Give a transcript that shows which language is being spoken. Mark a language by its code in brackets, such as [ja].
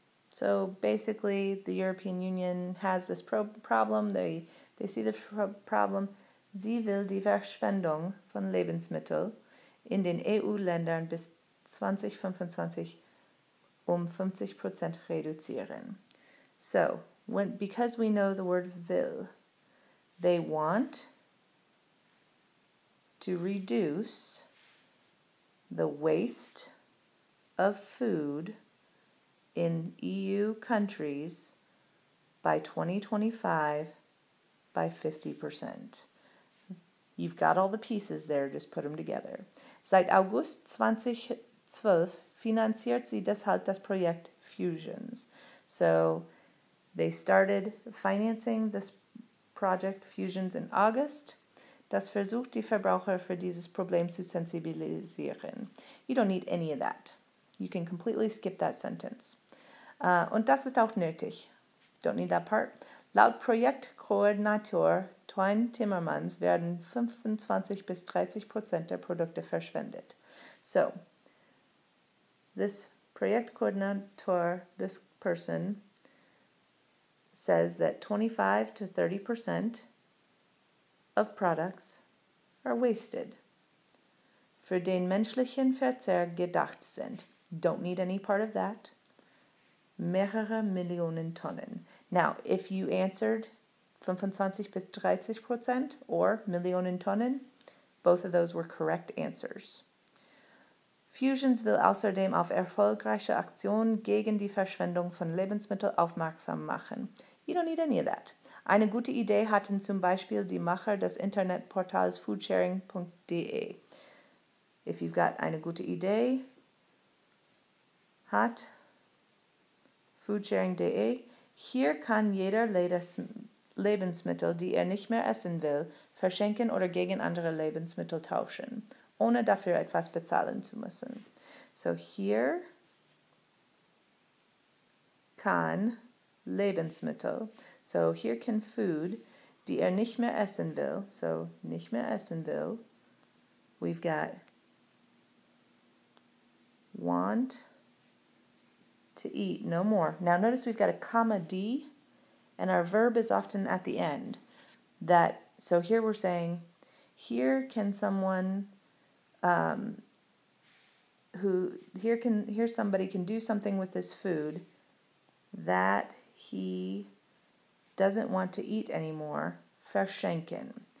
[en] So, basically, the European Union has this problem. They see the problem. [de] Sie will die Verschwendung von Lebensmitteln in den EU-Ländern bis 2025 um 50% reduzieren. [en] So, because we know the word will, they want to reduce the waste of food in EU countries by 2025 by 50%. You've got all the pieces there, just put them together. [de] Seit August 2012 finanziert sie deshalb das Projekt Fusions. [en] So they started financing this project Fusions in August. [de] Das versucht die Verbraucher für dieses Problem zu sensibilisieren. [en] You don't need any of that. You can completely skip that sentence. [de] Und das ist auch nötig. [en] Don't need that part. [de] Laut Projektkoordinator Twain Timmermans werden 25-30% der Produkte verschwendet. [en] So, this Projektkoordinator, this person, says that 25-30% of products are wasted. [de] für den menschlichen Verzehr gedacht sind. [en] Don't need any part of that. [de] Mehrere Millionen Tonnen. [en] Now, if you answered 25-30% or Millionen Tonnen, both of those were correct answers. [de] Fusions will außerdem auf erfolgreiche Aktionen gegen die Verschwendung von Lebensmitteln aufmerksam machen. [en] You don't need any of that. [de] Eine gute Idee hatten zum Beispiel die Macher des Internetportals foodsharing.de. [en] If you've got [de] eine gute Idee, hat foodsharing.de. Hier kann jeder Lebensmittel, die er nicht mehr essen will, verschenken oder gegen andere Lebensmittel tauschen, ohne dafür etwas bezahlen zu müssen. So hier kann Lebensmittel, so hier kann food, die er nicht mehr essen will, so nicht mehr essen will, [en] we've got want to eat, no more. Now notice we've got a comma D, and our verb is often at the end. That, so here we're saying, here can someone, here somebody can do something with this food that he doesn't want to eat anymore, verschenken.